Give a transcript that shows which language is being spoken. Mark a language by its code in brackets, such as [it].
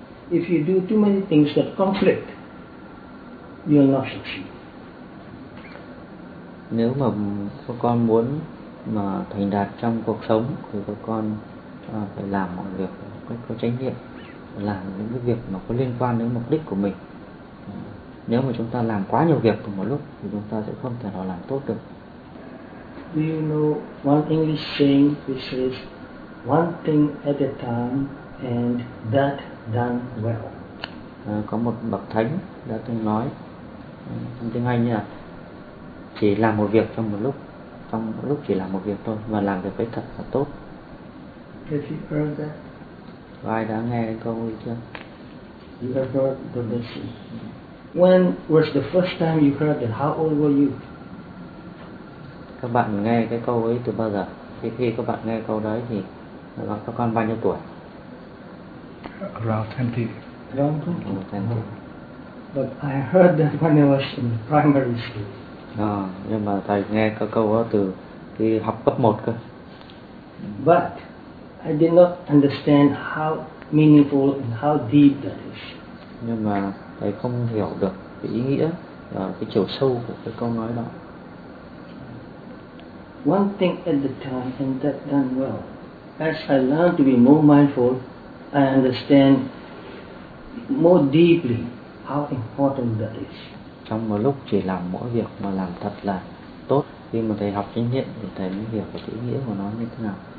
[en] If you do too many things that conflict, you'll not succeed. [vi] Nếu mà các con muốn mà thành đạt trong cuộc sống thì các con phải làm mọi việc một cách có trách nhiệm, làm những cái việc mà có liên quan đến mục đích của mình. Nếu mà chúng ta làm quá nhiều việc cùng một lúc thì chúng ta sẽ không thể nào làm tốt được. [en] Do you know one English saying which says one thing at a time and that done well? [vi] Có một bậc thánh đã từng nói trong tiếng Anh là chỉ làm một việc trong một lúc chỉ làm một việc thôi và làm việc ấy thật là tốt. [en] Have you heard that? [vi] Có ai đã nghe câu ấy chưa? [en] You have heard the blessing. When was the first time you heard it? How old were you? [vi] Các bạn nghe cái câu ấy từ bao giờ? Khi các bạn nghe câu đấy thì nó cho con bao nhiêu tuổi? [en] Around 20. Around 20. But I heard that when I was in primary school. [vi] À, nhưng mà thầy nghe cái câu đó từ khi học cấp 1 cơ. [en] But I did not understand how meaningful and how deep that is. [vi] Nhưng mà thầy không hiểu được cái ý nghĩa và cái chiều sâu của cái câu nói đó. [en] One thing at the time and that done well. As I learned to be more mindful, I understand more deeply how important that is. [vi] Trong một lúc chỉ làm mỗi việc mà làm thật là tốt, khi mà thầy học chánh niệm thì thầy mới hiểu cái ý nghĩa của nó như thế nào.